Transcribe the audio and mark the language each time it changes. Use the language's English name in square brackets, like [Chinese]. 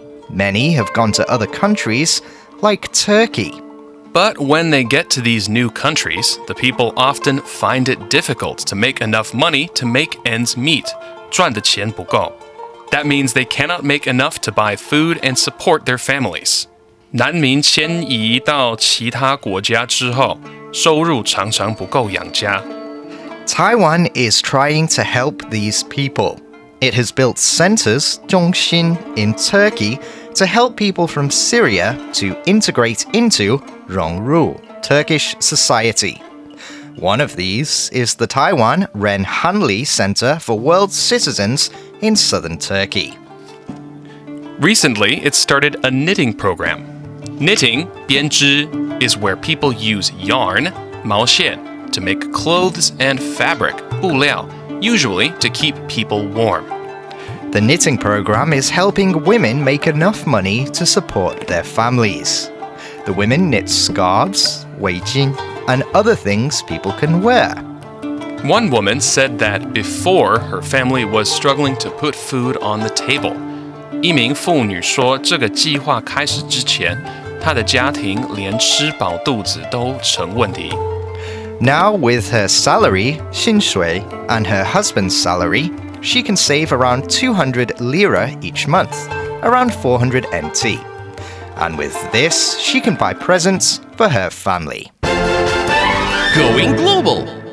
[English] Many have gone to other countries, like Turkey. But when they get to these new countries, the people often find it difficult to make enough money to make ends meet. [Chinese] 赚的钱不够。 [English] That means they cannot make enough to buy food and support their families. [Chinese] 难民迁移到其他国家之后，收入常常不够养家。 [English] Taiwan is trying to help these people. It has built centers, 中心, in Turkey,to help people from Syria to integrate into 融入 Turkish society. One of these is the Taiwan Ren Hanli Center for World Citizens in southern Turkey. Recently, it started a knitting program. Knitting, 编织, is where people use yarn, 毛线, to make clothes and fabric, 布料, usually to keep people warm. The knitting program is helping women make enough money to support their families. The women knit scarves, 围巾, and other things people can wear. One woman said that before, her family was struggling to put food on the table. [Chinese] 一名妇女说，这个计划开始之前，她的家庭连吃饱肚子都成问题。 [English] Now with her salary, 薪水, and her husband's salary,She can save around 200 lira each month, around 400 NT. And with this, she can buy presents for her family. Going global!